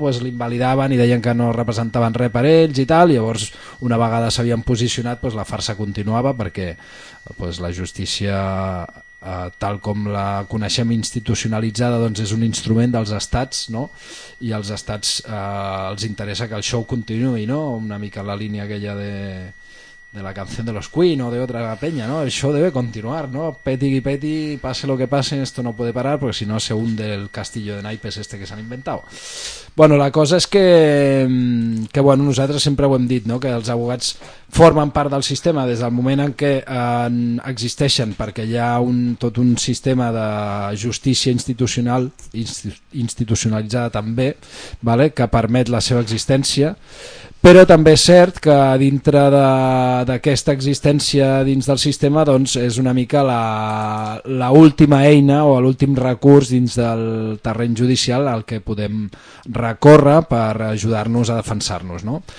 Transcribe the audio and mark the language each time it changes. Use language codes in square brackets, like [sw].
[ca] Pues l'invalidaven i deien que no representaven res per ells i tal. Llavors, una vegada s'havien posicionat, pues, la farsa continuava perquè, pues, la justícia, tal com la coneixem institucionalitzada, doncs és un instrument dels estats, no? I als estats els interessa que el show continuï, no? Una mica la línia aquella de la [es] canción de los Queen o de otra peña, ¿no? El show debe continuar, ¿no? [ca] Peti y peti, [es] pase lo que pase, esto no puede parar, porque si no se hunde el castillo de naipes este que s'han inventado. [ca] Bueno, la cosa és que bueno, nosaltres sempre ho hem dit, ¿no? Que els abogats formen part del sistema des del moment en què existeixen, perquè hi ha tot un sistema de justícia institucional institucionalitzada també, ¿vale? Que permet la seva existència. Però també és cert que dintre d'aquesta existència dins del sistema, doncs, és una mica la última eina o l'últim recurs dins del terreny judicial al que podem recórrer per ajudar-nos a defensar-nos, no?